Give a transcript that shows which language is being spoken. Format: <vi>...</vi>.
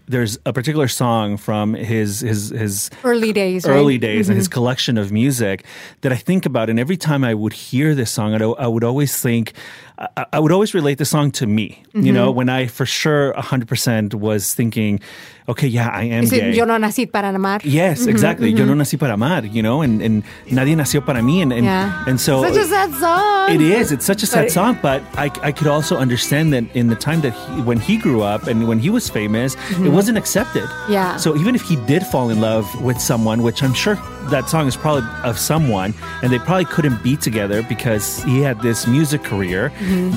<en>There's a particular song from his early days, mm-hmm. and his collection of music that I think about. And every time I would hear this song, I would always relate the song to me. Mm-hmm. You know, when I for sure 100% was thinking, okay, yeah, I am gay.</en> <es>Yo no nací para amar.</es> <en>Yes, mm-hmm. exactly.</en> <es>Mm-hmm. Yo no nací para amar.</es> <en>You know, and</en> <es>nadie nació para mí.</es> <en>And yeah. And so such a sad song. It is. It's such a sad song. But I could also understand that in the time that when he grew up and when he was famous, mm-hmm. it wasn't accepted. Yeah. So even if he did fall in love with someone, which I'm sure that song is probably of someone, and they probably couldn't be together because he had this music career mm-hmm.</en>